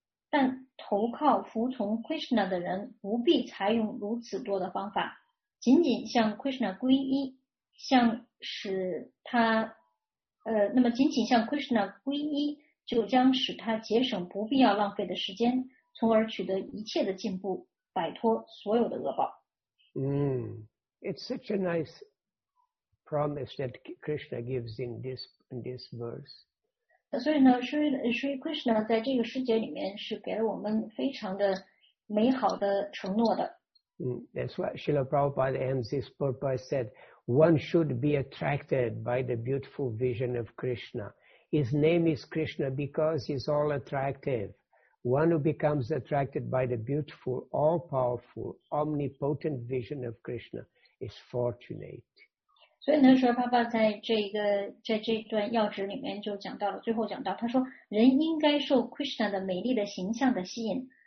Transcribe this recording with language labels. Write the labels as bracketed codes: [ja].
[zh] 但投靠服从 Krishna 的人不必采用如此多的方法，仅仅向 Krishna 皈依，向使他那么仅仅向 Krishna 皈依，就将使他节省不必要浪费的时间，从而取得一切的进步，摆脱所有的恶报。 [en] It's such a nice promise that Krishna gives in this verse. [zh] 所以呢 ，Sri Krishna 在这个诗节里面是给了我们非常的美好的承诺的。 [en] That's why Srila Prabhupada ends this purport said, one should be attracted by the beautiful vision of Krishna. His name is Krishna because he's all attractive. One who becomes attracted by the beautiful, all-powerful, omnipotent vision of Krishna is fortunate. [zh] 所以那时候爸爸在这段要旨里面就讲到了，最后讲到，他说人应该受 Krishna 的美丽的形象的吸引。